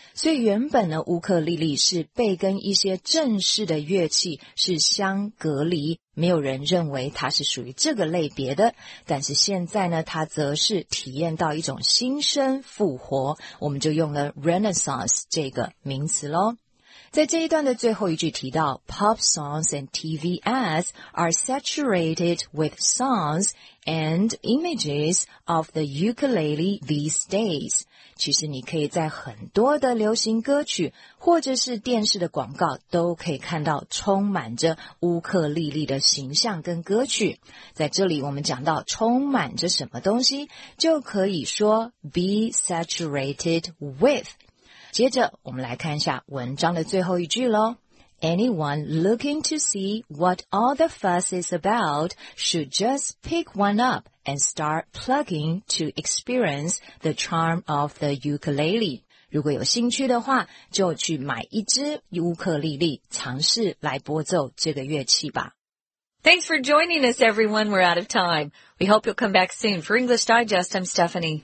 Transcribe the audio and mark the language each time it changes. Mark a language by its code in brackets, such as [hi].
[zh] 所以原本呢乌克丽丽是被跟一些正式的乐器是相隔离，没有人认为它是属于这个类别的，但是现在呢，它则是体验到一种新生复活，我们就用了 Renaissance 这个名词咯。在这一段的最后一句提到 [en] Pop songs and TV ads are saturated with songs and images of the ukulele these days. [zh] 其实你可以在很多的流行歌曲或者是电视的广告都可以看到充满着乌克丽丽的形象跟歌曲。在这里我们讲到充满着什么东西，就可以说 [en] be saturated with。 [zh] 接着我们来看一下文章的最后一句咯。 [en] Anyone looking to see what all the fuss is about should just pick one up and start plugging to experience the charm of the ukulele. [zh] 如果有兴趣的话，就去买一支乌克丽丽，尝试来拨奏这个乐器吧。 [en] Thanks for joining us, everyone. We're out of time. We hope you'll come back soon. For English Digest, I'm Stephanie.